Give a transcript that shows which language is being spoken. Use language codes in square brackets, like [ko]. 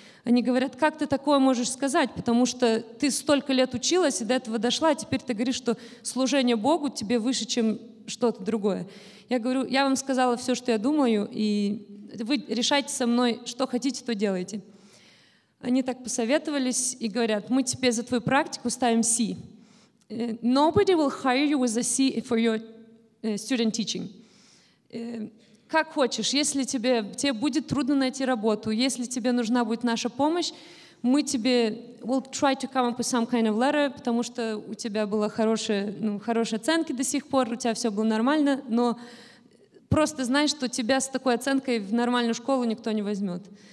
[ru] Они говорят: как ты такое можешь сказать, потому что ты столько лет училась и до этого дошла, а теперь ты говоришь, что служение Богу тебе выше, чем что-то другое. Я говорю: я вам сказала все, что я думаю, и вы решайте со мной, что хотите, то делайте. Они так посоветовались и говорят: мы тебе за твою практику ставим C. [en] Nobody will hire you with a C for your student teaching. [ru] Как хочешь, если тебе будет трудно найти работу, если тебе нужна будет наша помощь, мы тебе [en] will try to come up with some kind of letter, [ru] потому что у тебя было хорошие оценки до сих пор, у тебя все было нормально, но просто знай, что тебя с такой оценкой в нормальную школу никто не возьмет.